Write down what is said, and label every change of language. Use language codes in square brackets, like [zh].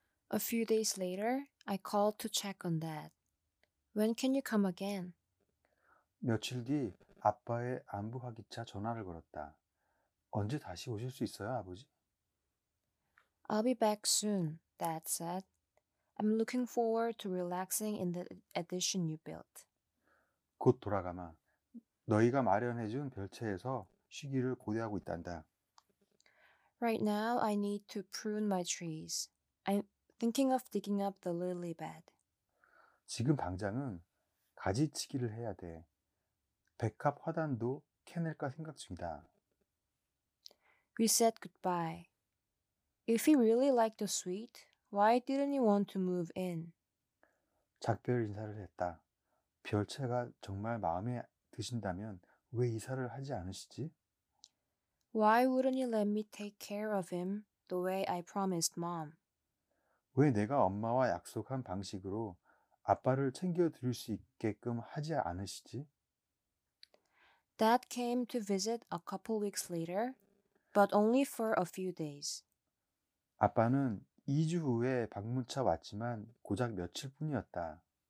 [en] A few days later, I called to check on that. When can you come again? [ko] 며칠 뒤 아빠의 안부하기차 전화를 걸었다. 언제 다시 오실 수 있어요, 아버지? [en] I'll be back soon, Dad said. I'm looking forward to relaxing in the addition you built. [ko] 곧 돌아가마. 너희가 마련해준 별채에서 쉬기를 고대하고 있단다. [en] Right now, I need to prune my trees. I'm thinking of digging up the lily bed. [ko] 지금 당장은 가지치기를 해야 돼. 백합 화단도 캐낼까 생각 중이다. [en] We said goodbye. If he really liked the suite, why didn't he want to move in? [ko] 작별 인사를 했다. 별채가 정말 마음에 드신다면 왜 이사를 하지 않으시지? [en] Why wouldn't you let me take care of him the way I promised mom? [ko] 왜 내가 엄마와 약속한 방식으로 아빠를 챙겨드릴 수 있게끔 하지 않으시지? [en] Dad came to visit a couple weeks later, but only for a few days. [ko] 아빠는 2주 후에 방문차 왔지만 고작 며칠 뿐이었다.